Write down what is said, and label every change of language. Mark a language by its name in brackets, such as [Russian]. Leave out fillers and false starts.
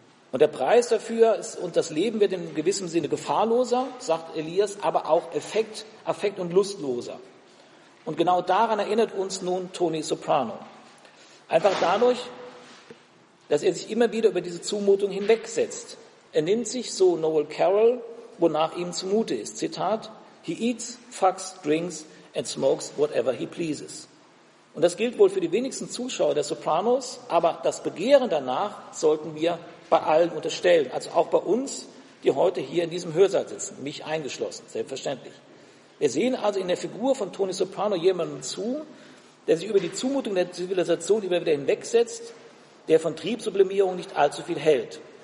[German] Und der Preis dafür ist, und das Leben wird in gewissem Sinne gefahrloser, sagt Elias, aber auch Affekt und lustloser. Und genau daran erinnert uns nun Tony Soprano. Einfach dadurch, dass er sich immer wieder über diese Zumutung hinwegsetzt. Er nimmt sich, so Noel Carroll, wonach ihm zumute ist. Zitat, [English] he eats, fucks, drinks and smokes whatever he pleases. [German] Und das gilt wohl für die wenigsten Zuschauer der Sopranos, aber das Begehren danach sollten wir bei allen unterstellen. Also auch bei uns, die heute hier in diesem Hörsaal sitzen, mich eingeschlossen, selbstverständlich. Wir sehen also in der Figur von Tony Soprano jemanden zu, der sich über die Zumutung der Zivilisation immer wieder hinwegsetzt, der von Triebsublimierung nicht allzu viel hält.